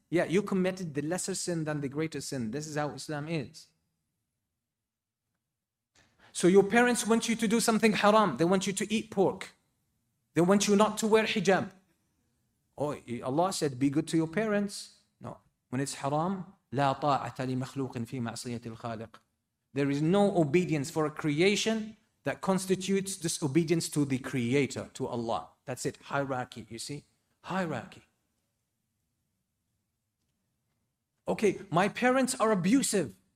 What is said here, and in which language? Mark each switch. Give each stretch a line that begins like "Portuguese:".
English: Yeah, you committed the lesser sin than the greater sin. This is how Islam is. So your parents want you to do something haram. They want you to eat pork. They want you not to wear hijab. Oh, Allah said, "Be good to your parents." No, when it's haram,
Arabic: لا طاعة لمخلوق في معصية الخالق.
English: There is no obedience for a creation that constitutes disobedience to the Creator, to Allah. That's it. Hierarchy, you see? Hierarchy. Okay, my parents are abusive.